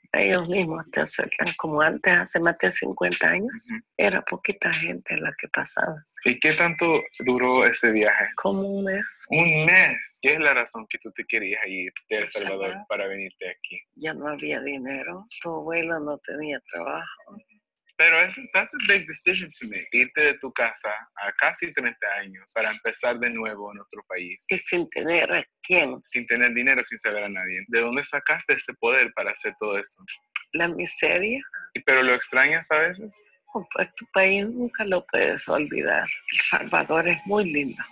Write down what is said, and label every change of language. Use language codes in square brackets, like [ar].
[es] ellos mismos te acercan, como antes, hace más de 50 años, era poquita gente la que pasaba. ¿Y qué tanto duró ese viaje? Como un mes. ¿Un mes? ¿Qué es la razón que tú te querías ir de El Salvador para venirte aquí? Ya no había dinero, tu abuelo no tenía trabajo. Pero eso, [en] that's a big decision to make. [es] Irte de tu casa a casi 30 años para empezar de nuevo en otro país. Y sin tener a quién. Sin tener dinero, sin saber a nadie. ¿De dónde sacaste ese poder para hacer todo eso? La miseria. ¿Y pero lo extrañas a veces? Pues tu país nunca lo puedes olvidar. El Salvador es muy lindo.